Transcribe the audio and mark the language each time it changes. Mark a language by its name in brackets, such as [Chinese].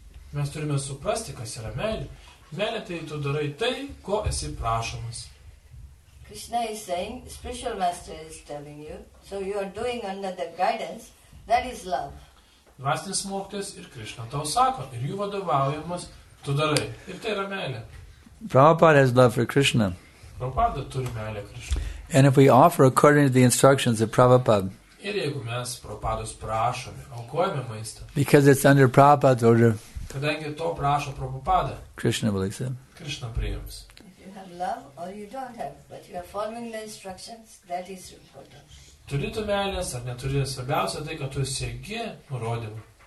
[Lithuanian] Mes turime suprasti, kas yra meilė. Meilė, tai tu darai tai, ko esi prašomas. [English] Krishna is saying, spiritual master is telling you, so you are doing under the guidance, that is love. [Lithuanian] Dvasinis mokytojas ir Krishna tau sako, ir jų vadovaujamas, tu darai. Ir tai yra meilė. [English] Prabhupada has love for Krishna. [Lithuanian] Prabhupada turi meilę Krishna. [English] And if we offer according to the instructions of Prabhupada, [Lithuanian] ir jeigu mes Prabhupados prašome, aukojame maistą, [English] because it's under Prabhupada's order, [Lithuanian] kadangi to prašo Prabhupada, [English] Krishna will accept. [Lithuanian] Krishna priims. [English] If you have love or you don't have, but you are following the instructions, that is important. [Lithuanian] Turi tu meilės ar neturi, svarbiausia tai, kad tu sėgi nurodymą.